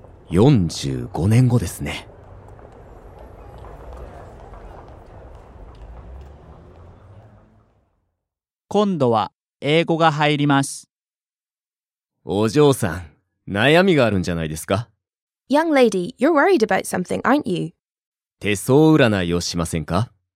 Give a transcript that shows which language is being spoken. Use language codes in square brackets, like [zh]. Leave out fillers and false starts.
[ja] 45年後ですね。今度は英語が入ります。お嬢さん、悩みがあるんじゃないですか？ [en] Young lady, you're worried about something, aren't you? [ja] 手相占いをしませんか？